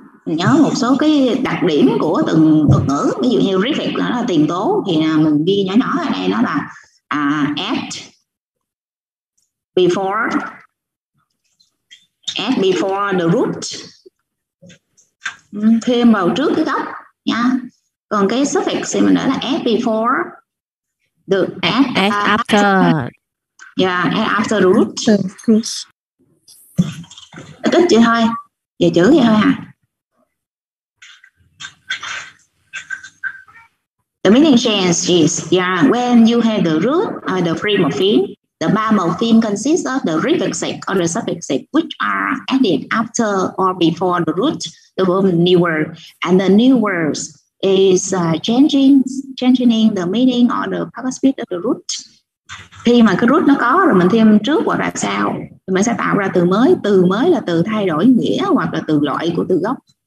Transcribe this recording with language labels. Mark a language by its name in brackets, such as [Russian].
[Vietnamese] Nhớ một số cái đặc điểm của từng thuật ngữ, ví dụ như prefix nó là tiền tố thì mình ghi nhỏ nhỏ ở đây nó là [English] at before, at before the root, [Vietnamese] thêm vào trước cái gốc nha. Còn cái suffix thì mình nói là [English] at before the at after, yeah, at after the root. [Vietnamese] Ít ít vậy thôi, về chữ vậy thôi hả? [English] The meaning change is, yeah, when you have the root or the free morpheme, the bar morpheme consists of the prefixes or the suffixes which are added after or before the root, the verb new word, and the new words is changing the meaning or the participle of the root. [Vietnamese] Khi mà cái root nó có rồi mình thêm trước hoặc là sau, thì mình sẽ tạo ra từ mới. Từ mới là từ thay đổi nghĩa hoặc là từ loại của từ gốc.